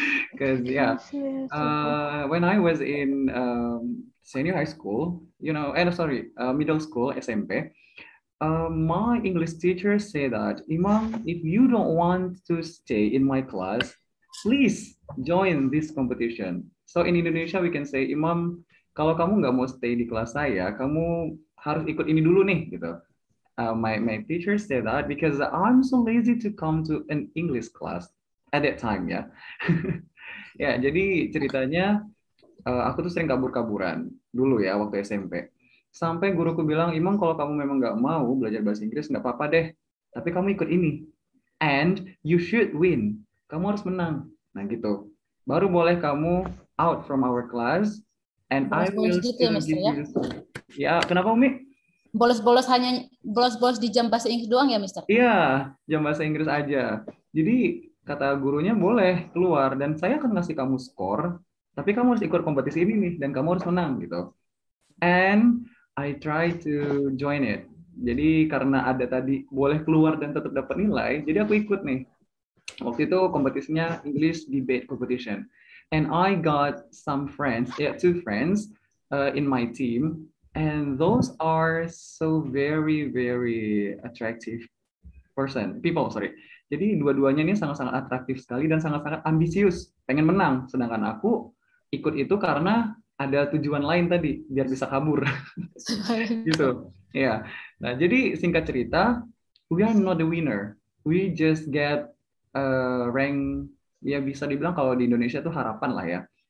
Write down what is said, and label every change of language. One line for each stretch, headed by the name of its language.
English: Because yeah, when I was in senior high school, you know, and sorry, middle school, SMP, my English teacher say that, Imam, if you don't want to stay in my class, please join this competition. So in Indonesia, we can say,
Indonesian: Imam, kalau kamu nggak mau stay di kelas saya, kamu harus ikut ini dulu nih, gitu.
English: My teacher say that because I'm so lazy to come to an English class at that time, yeah.
Indonesian: Yeah, jadi ceritanya, aku tuh sering kabur-kaburan dulu ya waktu SMP. Sampai guruku bilang, Imam, kalau kamu memang nggak mau belajar bahasa Inggris, nggak apa-apa deh. Tapi kamu ikut ini.
English: And you should win.
Indonesian: Kamu harus menang. Nah gitu. Baru boleh kamu
English: out from our class. And bolos-bolos I will gitu still ya, give mister, you.
Indonesian: Ya, kenapa, Umi? Bolos-bolos di jam bahasa Inggris doang ya, mister? Iya, jam bahasa Inggris aja. Jadi, kata gurunya, boleh keluar. Dan saya akan ngasih kamu skor. Tapi kamu harus ikut kompetisi ini nih, dan kamu harus menang, gitu.
English: And I try to join it.
Indonesian: Jadi karena ada tadi boleh keluar dan tetap dapat nilai, jadi aku ikut nih. Waktu itu kompetisinya English Debate Competition.
English: And I got some friends, yeah, two friends in my team. And those are so very, very attractive person, people, sorry.
Indonesian: Jadi dua-duanya ini sangat-sangat atraktif sekali dan sangat-sangat ambisius, pengen menang. Sedangkan aku ikut itu karena ada tujuan lain tadi, biar bisa kabur. Gitu, ya. Yeah. Nah, jadi singkat cerita,
English: we are not the winner. We just get rank,
Indonesian: ya bisa dibilang kalau di Indonesia itu harapan lah ya.